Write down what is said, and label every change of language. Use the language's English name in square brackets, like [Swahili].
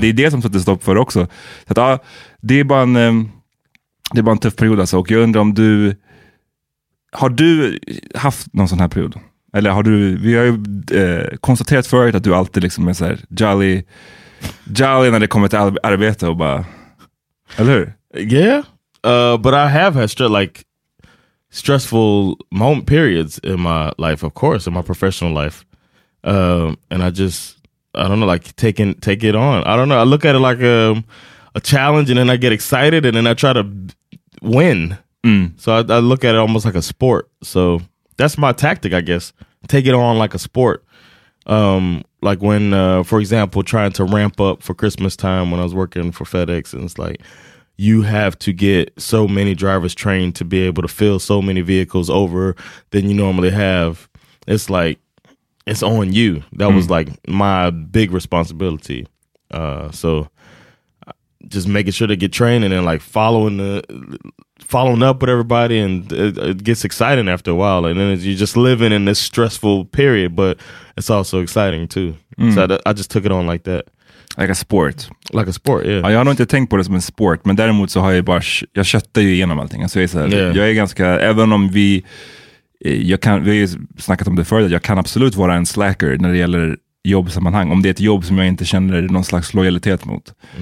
[Swedish] Det är det som sätter stopp för också. Så att, ja, det är bara en tuff period alltså. Och jag undrar om du... Har du haft någon sån här period? Eller har du... Vi har ju konstaterat förut att du alltid liksom är så här jolly... Jolly när det kommer till arbete och bara, eller hur? [English] Yeah, but I have had stressful moment periods in my life, of course, in my professional life, and I don't know, like take it on. I don't know. I look at it like a challenge, and then I get excited, and then I try to win. Mm. So I look at it almost like a sport. So that's my tactic, I guess. Take it on like a sport. Like when, for example, trying to ramp up for Christmas time when I was working for FedEx, and it's like, you have to get so many drivers trained to be able to fill so many vehicles over than you normally have. It's like, it's on you. That was like my big responsibility. So just making sure to get trained, and then like following up with everybody, and it gets exciting after a while, and then you're just living in this stressful period, but it's also exciting too. Mm. So I just took it on like that. Like a sport, yeah. [Swedish] Jag har nog inte tänkt på det som en sport, men däremot så har jag bara, jag köttar ju igenom allting. Alltså jag är så här, [English] yeah. [Swedish] Jag är ganska, även om vi har ju snackat om det förut, jag kan absolut vara en slacker när det gäller jobbsammanhang, om det är ett jobb som jag inte känner någon slags lojalitet mot.